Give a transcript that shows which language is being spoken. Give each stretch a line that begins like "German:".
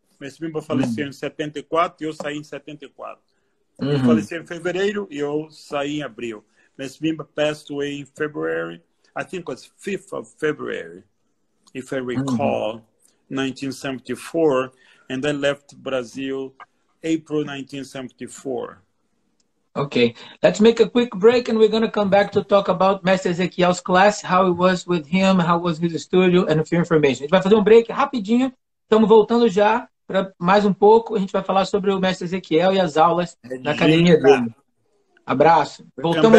Portuguese: Mestre Bimba faleceu em 74, e eu saí em 74. Ele faleceu em fevereiro, e eu saí em abril.
English: Mestre Bimba passed away in February. I think it was 5th of February, if I recall, 1974. And I left Brazil April 1974. Okay. Let's make a quick break and we're going to come back to talk about Mestre Ezequiel's class, how it was with him, how was his studio, and a few information. A gente vai fazer um break rapidinho.
Portuguese: Estamos voltando já para mais um pouco. A gente vai falar sobre o Mestre Ezequiel e as aulas na academia dele. Abraço. Voltamos